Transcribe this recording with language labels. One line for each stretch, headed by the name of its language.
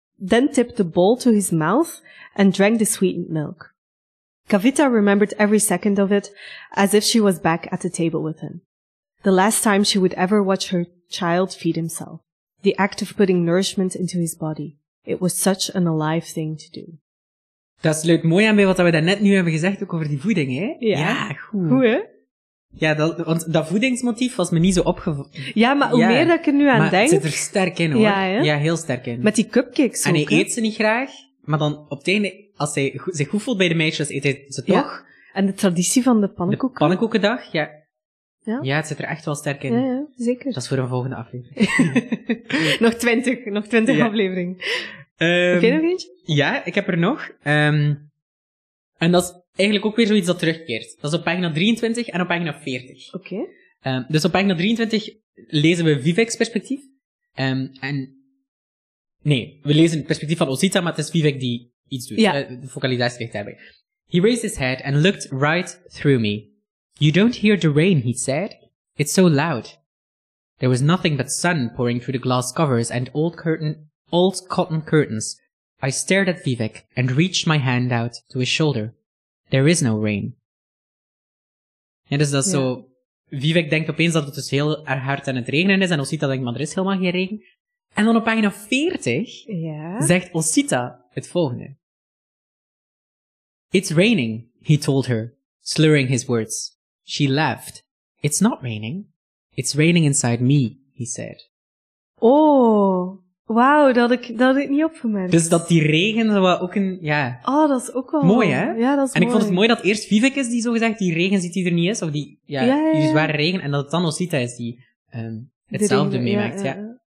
English: Then tipped the bowl to his mouth and drank the sweetened milk. Kavita remembered every second of it as if she was back at the table with him. The last time she would ever watch her child feed himself. The act of putting nourishment into his body. It was such an alive thing to do.
Dutch: Dat sluit mooi aan bij wat we daarnet nu hebben gezegd, ook over die voeding, hè? Ja. Goed. Goed, hè? Ja, dat voedingsmotief was me niet zo opgevallen. Ja, maar hoe meer dat ik er nu aan denk... Maar het zit er sterk in, hoor. Ja, hè? Ja, heel sterk in. Met die cupcakes ook, en hij hè? Eet ze niet graag, maar dan op het einde, als hij zich goed voelt bij de meisjes, eet hij ze toch. Ja. En de traditie van de pannenkoeken. De pannenkoekendag, ja. Ja? Ja, het zit er echt wel sterk in. Ja, zeker. Dat is voor een volgende aflevering. nog twintig aflevering. Oké, nog eentje? Ja, ik heb er nog. En dat is eigenlijk ook weer zoiets dat terugkeert. Dat is op pagina 23 en op pagina 40. Oké. Dus op pagina 23 lezen we Vivek's perspectief. We lezen het perspectief van Osita, maar het is Vivek die iets doet. Ja. De vocalisatie ligt daarbij.
English: He raised his head and looked right through me. You don't hear the rain, he said. It's so loud. There was nothing but sun pouring through the glass covers and old cotton curtains. I stared at Vivek and reached my hand out to his shoulder. There is no rain.
Dutch: Ja, dus dat is zo... Vivek denkt opeens dat het dus heel hard aan het regenen is en Osita denkt, maar er is helemaal geen regen. En dan op pagina 40 zegt Osita het volgende.
English: It's raining, he told her, slurring his words. She laughed. It's not raining. It's raining inside me, he said.
Dutch: Oh, wauw, dat had ik niet opgemerkt. Dus dat die regen wat ook een... Ja. Oh, dat is ook wel... Mooi, hè? Ja, dat is mooi. En ik vond het mooi dat eerst Vivek is die zogezegd die regen ziet die er niet is. Of die zware regen. En dat het dan Osita is die hetzelfde meemaakt.